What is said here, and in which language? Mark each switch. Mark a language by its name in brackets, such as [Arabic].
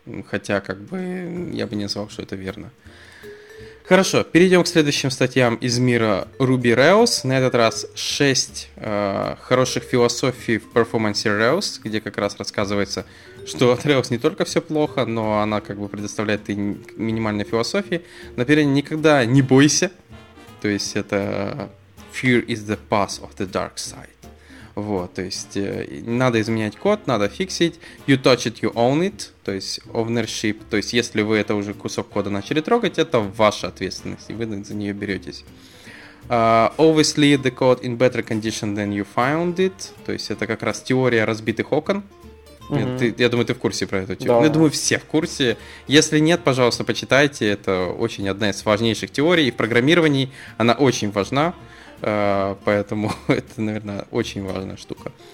[Russian] Хотя, как бы, я бы не назвал, что это верно. Хорошо, перейдем к следующим статьям из мира Ruby Rails. На этот раз 6 хороших философий в Performance Rails, где как раз рассказывается, что от Rails не только все плохо, но она как бы предоставляет и минимальные философии. Например, никогда не бойся. То есть это [English] Fear is the path of the dark side. [Russian] Вот, то есть надо изменять код, надо фиксить. [English] You touch it, you own it. [Russian] То есть ownership. То есть если вы это уже кусок кода начали трогать, это ваша ответственность, и вы за нее беретесь. [English] Always leave the code in better condition than you found it. [Russian] То есть это как раз теория разбитых окон. Я думаю, ты в курсе про эту теорию. Да. Я думаю, все в курсе. Если нет, пожалуйста, почитайте. Это очень одна из важнейших теорий. И в программировании она очень важна. Поэтому это, наверное, очень важная штука.